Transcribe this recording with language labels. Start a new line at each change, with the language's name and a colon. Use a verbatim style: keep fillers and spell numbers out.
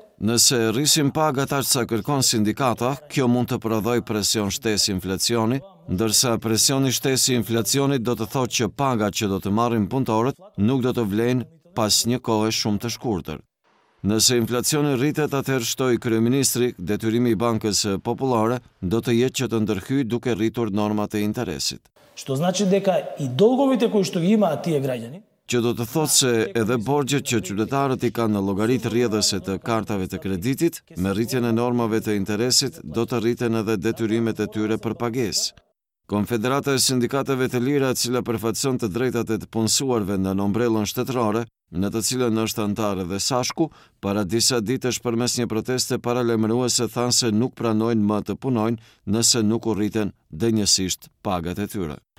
Albanian: Nëse rrisim pagat aq sa kërkon sindikata, kjo mund të prodhoj presion shtesi inflacioni, ndërsa presioni shtesi inflacionit do të thotë që pagat që do të marrin punëtorët nuk do të vlejnë pas një kohe shumë të shkurtër. Nëse inflacioni rritet, atëherë shtoi kryeministri, detyrimi i Bankës Popullore do të jetë që të ndërhyjë duke rritur normat e interesit.
Macedonian: Што значи дека и долговите кои што ги имаат тие граѓани,
Albanian: që do të thotë se edhe borgjet që qytetarët i kanë në llogaritë rrjedhëse të kartave të kreditit, me rritjen e normave të interesit do të rriten edhe detyrimet e tyre për pagesë. Konfederata e Sindikateve të Lira, e cila përfaqëson të drejtat e të punësuarve në ombrellën shtetërore, në të cilën është antar edhe Sashku, para disa ditësh përmes një proteste paralajmëruese thanë se nuk pranojnë më të punojnë nëse nuk u rriten denjësisht pagat e tyre.